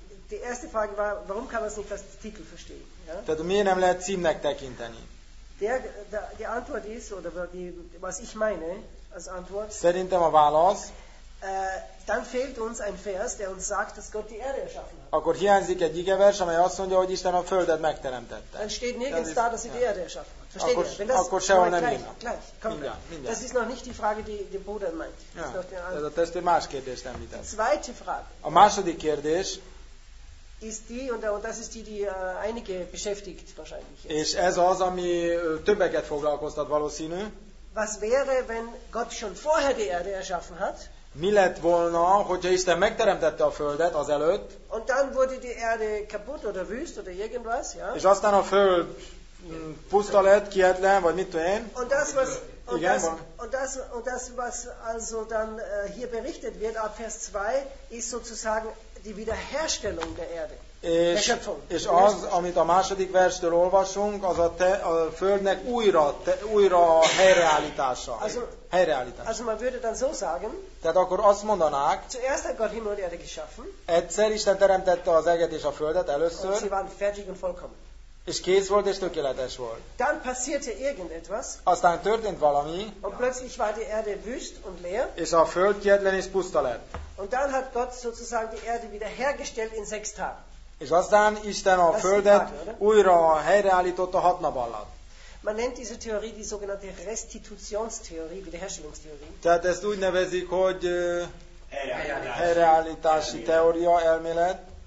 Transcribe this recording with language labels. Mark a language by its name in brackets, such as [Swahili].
[German] Die erste Frage war, warum kann man es nicht als Titel verstehen? [Hungarian] Tehát miért nem lehet címnek tekinteni? [German] Die Antwort ist, oder was ich meine als Antwort, [Hungarian] szerintem a válasz, [German] dann fehlt uns ein Vers, der uns sagt, dass Gott die Erde erschaffen hat. [Hungarian] Akkor hiányzik egy igevers, amely azt mondja, hogy Isten a földet megteremtette. [German] Dann steht nirgends da, dass er die Erde erschaffen hat. Versteht [Hungarian] akkor, [German] ihr? Das, [Hungarian] akkor sehol nem [German] gleich, [Hungarian] mindjárt. [German] Das ist noch nicht die Frage, die der Bruder meint. Ja. Das ist die [Hungarian] más kérdést említett. [German] Die zweite Frage. [Hungarian] A második kérdés. [German] Ist die, und das ist die, die einige beschäftigt wahrscheinlich. Jetzt. [Hungarian] És ez az, ami többeket foglalkoztat valószínű. [German] Was wäre, wenn Gott schon vorher die Erde erschaffen hat? [Hungarian] Mi lett volna, hogyha Isten megteremtette a földet azelőtt? [German] Und dann wurde die Erde kaputt oder wüst oder irgendwas, ja? [Hungarian] És aztán a föld puszta lett, kietlen, vagy mit tudom én? [German] Und das was also dann hier berichtet wird ab Vers 2 ist sozusagen die Wiederherstellung der Erde. [Hungarian] És az, amit a második verstől olvasunk, az a földnek újra helyreállítása. [German] Also man würde dann so sagen, [Hungarian] tehát akkor azt mondanák, [German] zuerst hat Gott Himmel und Erde geschaffen, [Hungarian] egyszer Isten teremtette az eget és a földet először, [German] und sie waren fertig und vollkommen. [Hungarian] És kész volt és tökéletes volt. [German] Dann passierte irgendetwas, [Hungarian] aztán történt valami, [German] und plötzlich war die Erde wüst und leer, [Hungarian] és a föld kietlen és puszta lett. [German] Und dann hat Gott sozusagen die Erde wiederhergestellt in 6 Tagen. [Hungarian] És aztán Isten a [German] das [Hungarian] földet [German] Frage, [Hungarian] újra helyreállította 6 nap alatt. [German] Man nennt diese Theorie die sogenannte Restitutionstheorie, Wiederherstellungstheorie. [Hungarian] Tehát ezt úgy nevezik, hogy helyreállítási teória, elmélet.